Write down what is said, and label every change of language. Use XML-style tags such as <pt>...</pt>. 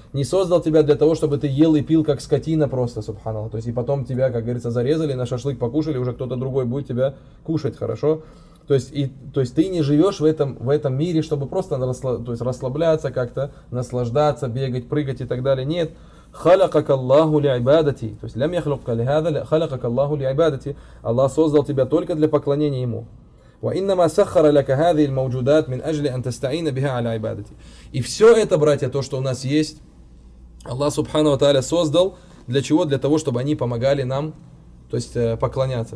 <ru>Не создал тебя для того, чтобы ты ел и пил, как скотина просто, Субхану Тааля. То есть, и потом тебя, как говорится, зарезали, на шашлык покушали, уже кто-то другой будет тебя кушать, хорошо? То есть ты не живешь в этом мире, чтобы просто расслабляться как-то, наслаждаться, бегать, прыгать и так далее. Нет.</ru> <ar>خلقك الله لعبادتي.</ar> <ru>То есть,</ru> <ar>لم يخلقك لهذا, خلقك الله لعبادتي.</ar> <ru>Аллах создал тебя только для поклонения Ему.</ru> <ar>وَإِنَّمَا سَخَّرَ لَكَ هَذِهِ الْمَوْجُودَاتِ مِنْ أَجْلِ أَنْ تَسْتَعِينَ بِهَا عَلَى عِبَادَتِهِ.</ar> <ru>И все это, братья, то, что у нас есть, Аллах Субхану ва Тааля создал для чего? Для того, чтобы они помогали нам, то есть, поклоняться.</ru>